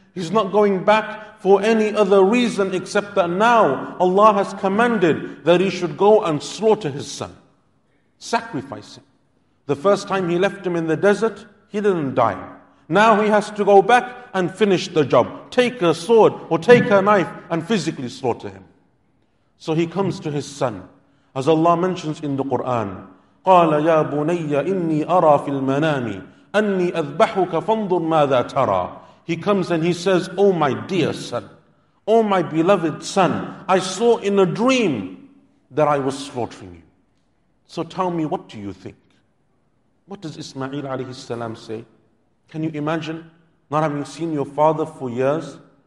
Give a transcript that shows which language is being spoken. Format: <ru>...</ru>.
<en>He's not going back for any other reason except that now Allah has commanded that he should go and slaughter his son. Sacrifice him. The first time he left him in the desert, he didn't die. Now he has to go back and finish the job. Take a sword or take a knife and physically slaughter him. So he comes to his son. As Allah mentions in the Quran,</en> <ar>قَالَ يَا بُنَيَّ إِنِّي أَرَى فِي الْمَنَامِ أَنِّي أَذْبَحُكَ فَانْظُرْ مَاذَا تَرَى.</ar> <en>He comes and he says, oh my dear son, oh my beloved son, I saw in a dream that I was slaughtering you. So tell me, what do you think? What does Ismail alayhi salam say? Can you imagine not having seen your father for years?</en>